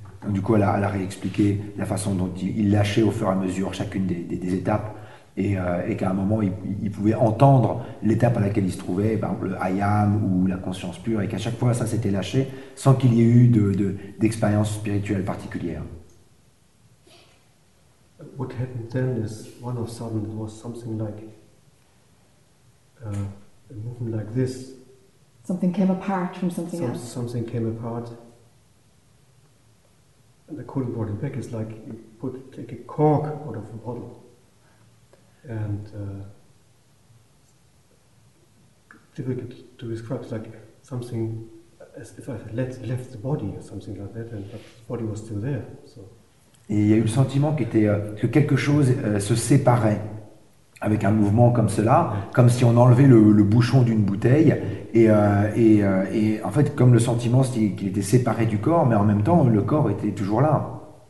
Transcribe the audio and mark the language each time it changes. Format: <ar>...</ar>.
<fr>Du coup, elle a réexpliqué la façon dont il lâchait au fur et à mesure chacune des étapes. Et qu'à un moment, il pouvait entendre l'étape à laquelle il se trouvait, par exemple le I am ou la conscience pure, et qu'à chaque fois, ça s'était lâché sans qu'il y ait eu d'expérience spirituelle particulière.</fr> <en>What happened then is, one of a sudden, it was something like a movement like this. Something came apart from something else. Something came apart. And I couldn't put it back. It's like you take a cork out of a bottle. And difficult to describe, like something as if I left the body or something like that, and but the body was still there. So.</en> <fr>Et il y a eu le sentiment que quelque chose se séparait avec un mouvement comme cela, comme si on enlevait le bouchon d'une bouteille, et en fait comme le sentiment qu'il était séparé du corps, mais en même temps le corps était toujours là.</fr>